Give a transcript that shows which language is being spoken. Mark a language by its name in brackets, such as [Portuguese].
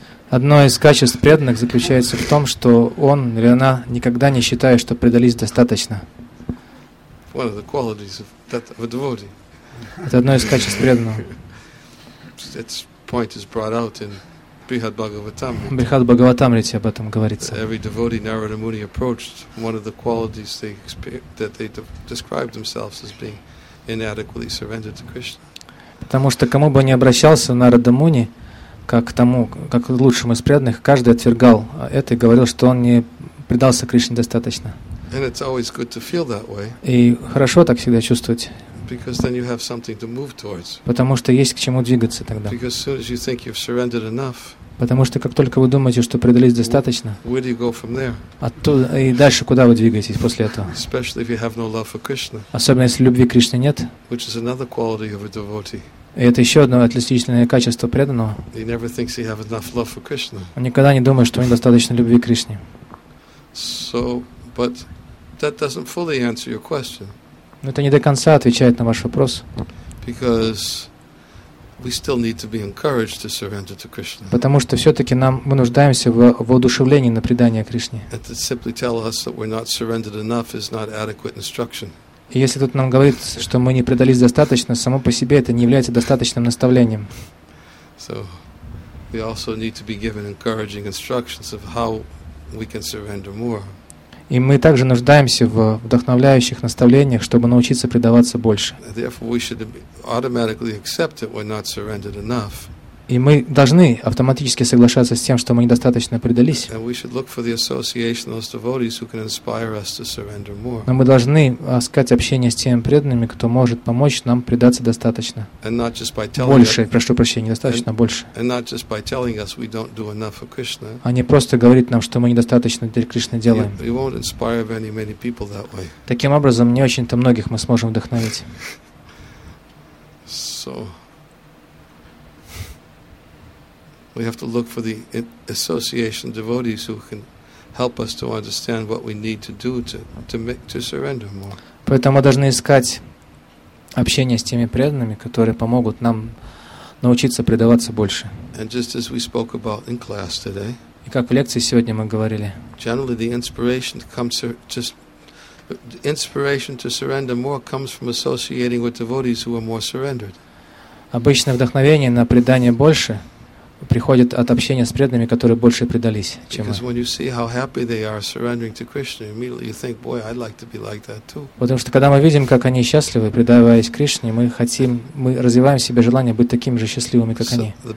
[Russian] Одно из качеств преданных заключается в том, что он или она никогда не считает, что предались достаточно. [English] One of the qualities of that of a devotee. [Russian] Это одно из качеств преданного. [English] Its point is brought out in Brihad Bhagavatam. [Russian] Брихад Бхагаватамрите об этом говорится. [English] Every devotee Narada Muni approached one of the qualities they described themselves as being inadequately surrendered to Krishna. [Russian] Потому что кому бы ни обращался Нарада Муни, как к тому, как к лучшему из преданных, каждый отвергал это и говорил, что он не предался Кришне достаточно. [English] And it's always good to feel that way. [Russian] И хорошо так всегда чувствовать. [English] Because then you have something to move towards. [Russian] Потому что есть к чему двигаться тогда. [English] Because as soon as you think you've surrendered enough. [Russian] Потому что как только вы думаете, что предались достаточно. [English] Where do you go from there? [Russian] Оттуда и дальше куда вы двигаетесь после этого? [English] Especially if you have no love for Krishna. [Russian] Особенно если любви к Кришне нет. [English] Which is another quality of a devotee. [Russian] И это еще одно отличительное качество преданного. [English] He never thinks he has enough love for Krishna. [Russian] Он никогда не думает, что у него достаточно любви к Кришне. [English] So, but that doesn't fully answer your question. [Russian] Но это не до конца отвечает на ваш вопрос. [English] Because we still need to be encouraged to surrender to Krishna. [Russian] Потому что все-таки нам мы нуждаемся в воодушевлении на предание Кришне. [English] And to simply tell us that we're not surrendered enough is not adequate instruction. [Russian] И если тут нам говорит, что мы не предались достаточно, само по себе это не является достаточным наставлением. [English] So we also need to be given encouraging instructions of how we can surrender more. [Russian] И мы также нуждаемся в вдохновляющих наставлениях, чтобы научиться предаваться больше. [English] Therefore, we should automatically accept that we're not surrendered enough. [Russian] И мы должны автоматически соглашаться с тем, что мы недостаточно предались. [English] And we should look for the association of those devotees who can inspire us to surrender more. [Russian] Но мы должны искать общение с теми преданными, кто может помочь нам предаться достаточно. [English] And not just by [Russian] больше, it, прошу прощения, достаточно [English] and, [Russian] больше. [English] And not just by telling us we don't do enough for Krishna. [Russian] А не просто говорить нам, что мы недостаточно для Кришны делаем. [English] We won't inspire very many people that way. [Russian] Таким образом, не очень-то многих мы сможем вдохновить. [English] So. We have to look for the association devotees who can help us to understand what we need to do to surrender more. [Russian] Поэтому мы должны искать общение с теми преданными, которые помогут нам научиться предаваться больше. [English] And just as we spoke about in class today. [Russian] И как в лекции сегодня мы говорили. [English] Generally, the inspiration comes to surrender more comes from associating with devotees who are more surrendered. [Russian] Обычно вдохновение на предание больше приходит от общения с преданными, которые больше предались, чем мы. Потому что когда мы видим, как они счастливы, предаваясь Кришне, мы развиваем в себе желание быть такими же счастливыми, как они.